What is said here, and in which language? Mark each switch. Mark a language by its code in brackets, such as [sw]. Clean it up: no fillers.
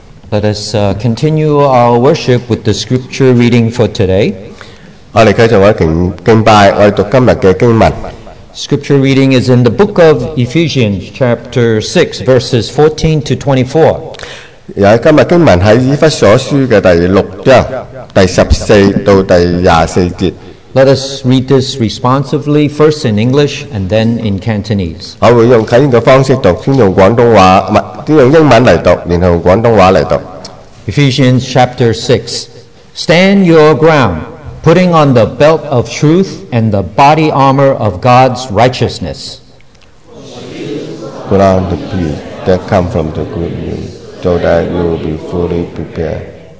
[en] Let us continue our worship with the scripture reading for today. [yue] 我哋继续嘅敬拜，我哋读今日嘅经文。 [en] Scripture reading is in the book of Ephesians, chapter 6, verses 14 to 24. [yue] 而今日经文喺以弗所书嘅第六章第十四到第廿四节。 [en] Let us read this responsively, first in English and then in Cantonese. [yue] 我会用简易嘅方式读，先用广东话，唔系。 [en] Ephesians chapter 6. Stand your ground, putting on the belt of truth and the body armor of God's righteousness. Ground peace that come from the good news, so that you will be fully prepared.